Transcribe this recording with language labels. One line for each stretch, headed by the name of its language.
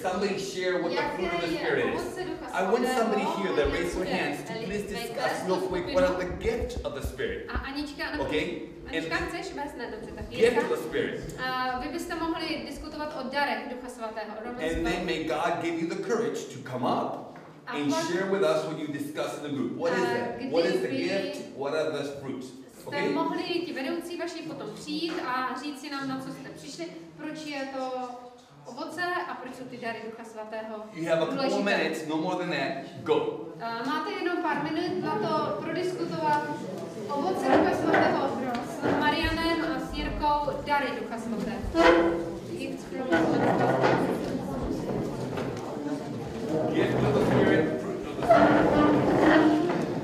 English: Somebody share what the fruit of the Spirit is. I want somebody here that raise their hands to please discuss real quick what are the gift of the Spirit. Okay? Gift of the Spirit.
Czech: Vy byste mohli diskutovat o darech Ducha svatého.
English: And then may God give you the courage to come up. And share with us what you discuss in the group. What is that? What is the gift? What are the fruits? Okay.
Czech: Jste mohli ti vedoucí vaši potom přijít a říct si nám, na co jste přišli, proč je to ovoce a proč jsou ty dary Ducha svatého.
English: You have a couple minutes, no more than that. Go.
Czech: Máte jenom pár minut na to prodiskutovat ovoce Ducha svatého s Marianem a s Jirkou, dary Ducha svatého.
English: Gift from the Holy Spirit. Gift of the Spirit, fruit of the Spirit.